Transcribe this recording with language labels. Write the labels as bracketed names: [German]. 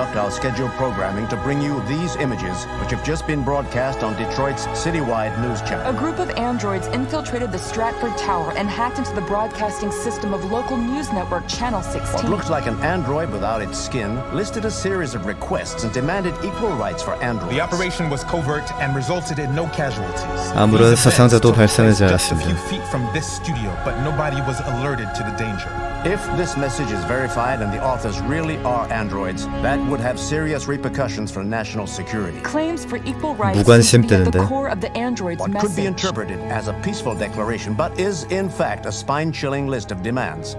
[English] Scheduled programming to bring you these images, which have just been broadcast on Detroit's citywide news channel. A group of androids infiltrated the Stratford Tower and hacked into the broadcasting system of local news network Channel 16. What looked like an android without its skin listed a series of requests and demanded equal rights for androids. The operation was covert and resulted in no casualties. [Korean] 아무런 사상자도 발생하지 않았습니다. [English] Just a few feet from this studio, but nobody was alerted to the danger. If this message is verified and the authors really are androids, that would have serious repercussions for national security. Claims for equal rights seem to be at the core of the androids' message. What could be interpreted as a peaceful declaration, but is in fact a spine-chilling list of demands.